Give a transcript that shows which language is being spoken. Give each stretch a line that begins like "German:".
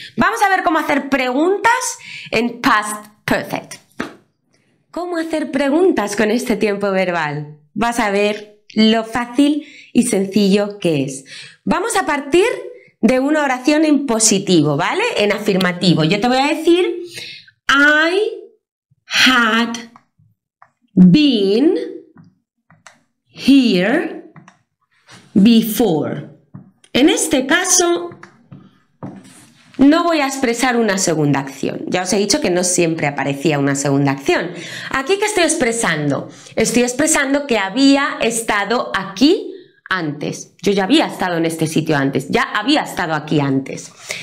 Spanish: Vamos a ver cómo hacer preguntas en Past Perfect. ¿Cómo hacer preguntas con este tiempo verbal? Vas a ver lo fácil y sencillo que es. Vamos a partir de una oración en positivo, ¿vale? En afirmativo. Yo te voy a decir,
English: I had been here before.
Spanish: En este caso, no voy a expresar una segunda acción. Ya os he dicho que no siempre aparecía una segunda acción. ¿Aquí qué estoy expresando? Estoy expresando que había estado aquí antes. Yo ya había estado en este sitio antes. Ya había estado aquí antes.